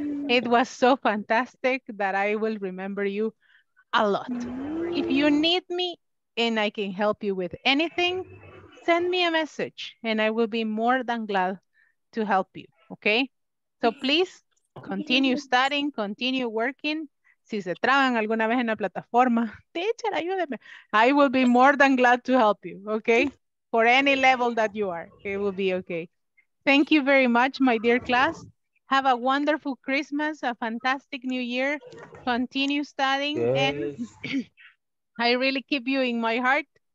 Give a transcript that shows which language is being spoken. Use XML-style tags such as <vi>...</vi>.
<en>It was so fantastic that I will remember you a lot. If you need me and I can help you with anything, send me a message and I will be more than glad to help you, okay? So please continue studying, continue working.</en> <es>Si se traban alguna vez en la plataforma, teacher, ayúdeme.</es> <en>I will be more than glad to help you, okay? For any level that you are, it will be okay. Thank you very much, my dear class. Have a wonderful Christmas, a fantastic new year. Continue studying. Yes. And I really keep you in my heart.</en>